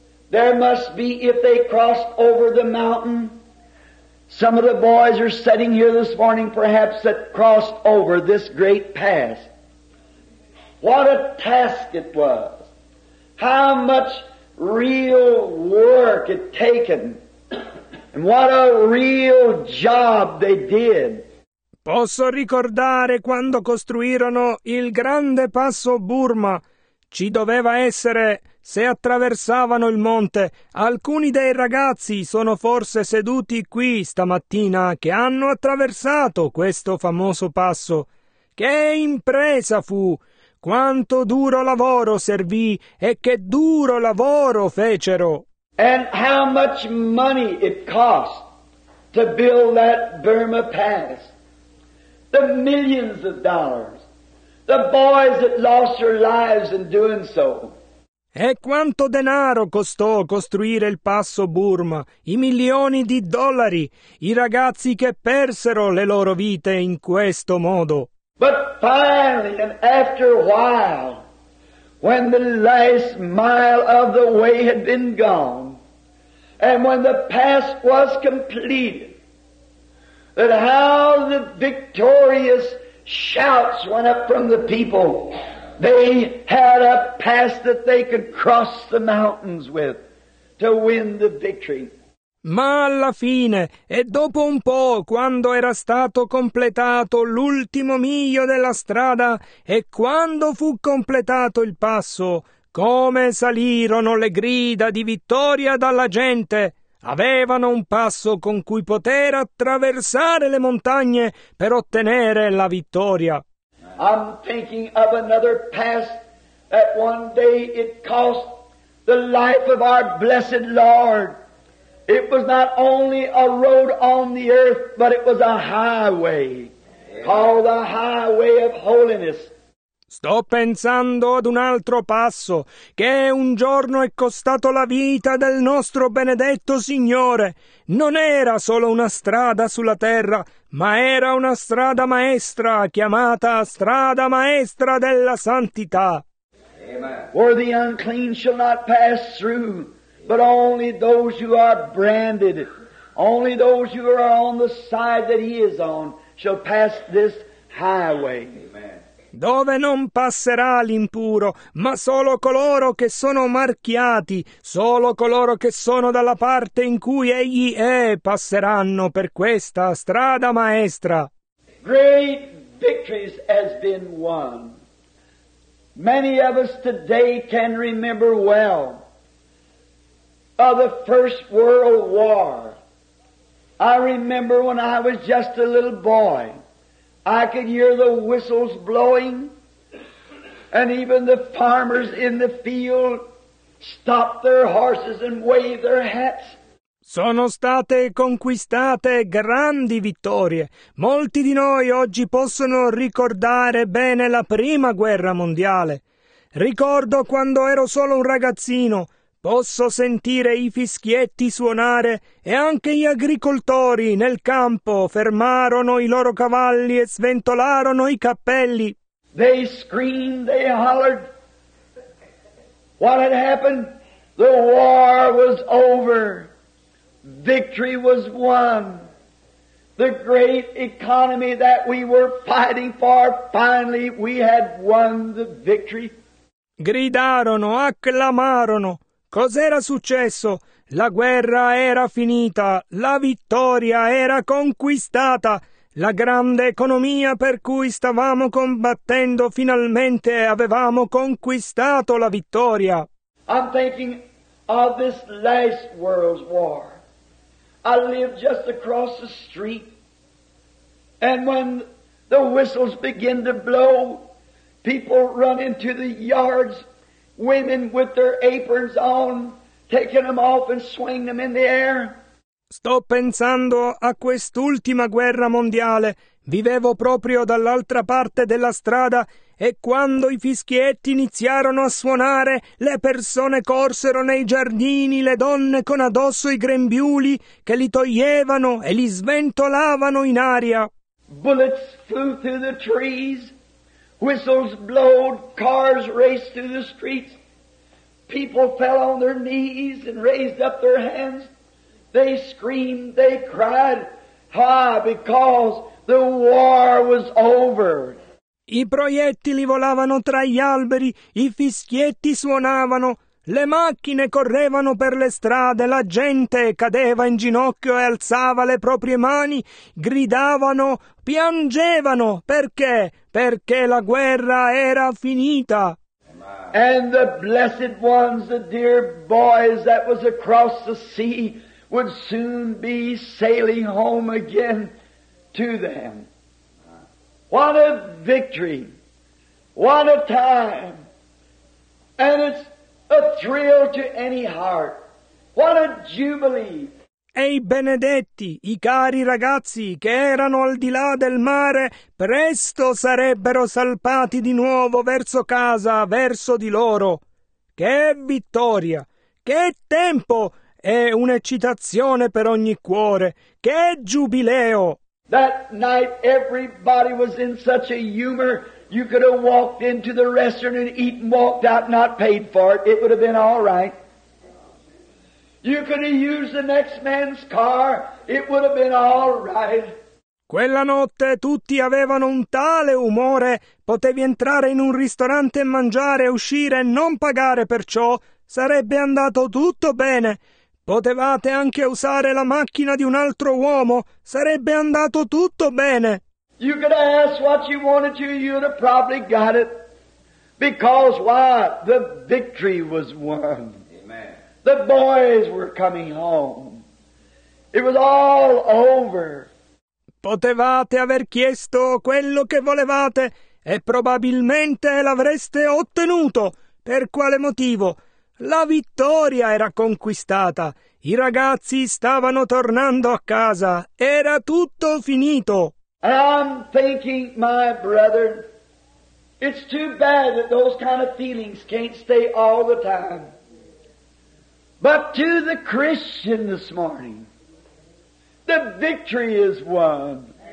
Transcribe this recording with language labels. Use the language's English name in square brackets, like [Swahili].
[English] There must be, if they crossed over the mountain, some of the boys are sitting here this morning perhaps that crossed over this great pass. What a task it was. How much real work it taken, and what a real job they did. [Italian] Posso ricordare quando costruirono il grande passo Burma. Ci doveva essere, se attraversavano il monte, alcuni dei ragazzi sono forse seduti qui stamattina che hanno attraversato questo famoso passo. Che impresa fu! Quanto duro lavoro servì e che duro lavoro fecero. [English] And how much money it cost to build that Burma Pass. The millions of dollars. The boys that lost their lives in doing so. [Italian] E quanto denaro costò costruire il passo Burma, i milioni di dollari, i ragazzi che persero le loro vite in questo modo. [English] But finally, and after a while, when the last mile of the way had been gone, and when the pass was completed, that how the victorious shouts went up from the people. They had a pass that they could cross the mountains with to win the victory. [Italian] Ma alla fine, e dopo un po', quando era stato completato l'ultimo miglio della strada, e quando fu completato il passo, come salirono le grida di vittoria dalla gente! Avevano un passo con cui poter attraversare le montagne per ottenere la vittoria. [English] I'm thinking of another pass that one day it cost the life of our blessed Lord. It was not only a road on the earth, but it was a highway, called the Highway of Holiness. [Italian] Sto pensando ad un altro passo, che un giorno è costato la vita del nostro benedetto Signore. Non era solo una strada sulla terra, ma era una strada maestra, chiamata Strada Maestra della Santità. [English] Amen. For the unclean shall not pass through. But only those who are branded, only those who are on the side that he is on, shall pass this highway. [Italian] Dove non passerà l'impuro, ma solo coloro che sono marchiati, solo coloro che sono dalla parte in cui egli è, passeranno per questa strada maestra. [English] Great victories has been won. Many of us today can remember well. Of the First World War. I remember when I was just a little boy, I could hear the whistles blowing, and even the farmers in the field stopped their horses and waved their hats. [Italian] Sono state conquistate grandi vittorie. Molti di noi oggi possono ricordare bene la Prima Guerra Mondiale. Ricordo quando ero solo un ragazzino. Posso sentire i fischietti suonare e anche gli agricoltori nel campo fermarono i loro cavalli e sventolarono i cappelli. [English] They screamed, they hollered. What had happened? The war was over. Victory was won. The great economy that we were fighting for, finally we had won the victory. [Italian] Gridarono, acclamarono. Cos'era successo? La guerra era finita, la vittoria era conquistata, La grande economia per cui stavamo combattendo finalmente avevamo conquistato la vittoria. [English] I'm thinking of this last world's war. I live just across the street. And when the whistles begin to blow, people run into the yards, women with their aprons on, taking them off and swing them in the air. [Italian] Sto pensando a quest'ultima guerra mondiale. Vivevo proprio dall'altra parte della strada e quando i fischietti iniziarono a suonare, le persone corsero nei giardini, le donne con addosso i grembiuli che li toglievano e li sventolavano in aria. [English] Bullets flew through the trees, whistles blowed, cars raced through the streets, people fell on their knees and raised up their hands. They screamed, they cried, ah, because the war was over. [Italian] I proiettili volavano tra gli alberi, i fischietti suonavano, le macchine correvano per le strade, la gente cadeva in ginocchio e alzava le proprie mani, gridavano, piangevano. Perché? Perché la guerra era finita. [English] And the blessed ones, the dear boys that was across the sea, would soon be sailing home again to them. What a victory! What a time! And it's a thrill to any heart. What a jubilee! [Italian] E i benedetti, i cari ragazzi che erano al di là del mare, presto sarebbero salpati di nuovo verso casa, verso di loro. Che vittoria! Che tempo! È un'eccitazione per ogni cuore. Che giubileo! [English] That night everybody was in such a humor, you could have walked into the restaurant and eaten, walked out, not paid for it. It would have been all right. You could have used the next man's car. It would have been all right. [Italian] Quella notte tutti avevano un tale umore. Potevi entrare in un ristorante e mangiare, uscire e non pagare per ciò. Sarebbe andato tutto bene. Potevate anche usare la macchina di un altro uomo. Sarebbe andato tutto bene. [English] You could ask what you wanted to, you'd have probably got it. Because why? The victory was won. Amen. The boys were coming home. It was all over. [Italian] Potevate aver chiesto quello che volevate e probabilmente l'avreste ottenuto. Per quale motivo? La vittoria era conquistata. I ragazzi stavano tornando a casa. Era tutto finito. [English] I'm thinking, my brother, it's too bad that those kind of feelings can't stay all the time. But to the Christian this morning, the victory is won.